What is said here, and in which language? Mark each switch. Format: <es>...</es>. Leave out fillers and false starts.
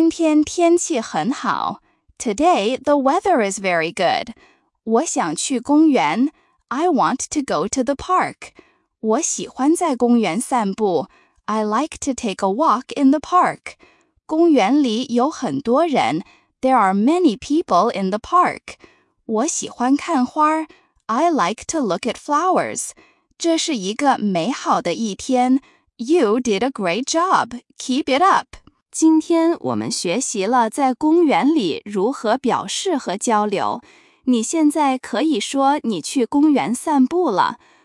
<zh>好,现在让我们来练习一些句子。今天天气很好,</zh> <en>today the weather is very good.</en> <zh>我想去公园,</zh> <en>I want to go to the park.</en> <zh>我喜欢在公园散步,</zh> <en>I like to take a walk in the park.</en> <zh>公园里有很多人,</zh> <en>there are many people in the park.</en> <zh>我喜欢看花,</zh> <en>I like to look at flowers.</en> <zh>这是一个美好的一天,</zh> <en>you did a great job, keep it up.</en> <zh>今天我们学习了在公园里如何表示和交流, 你现在可以说你去公园散步了。</zh>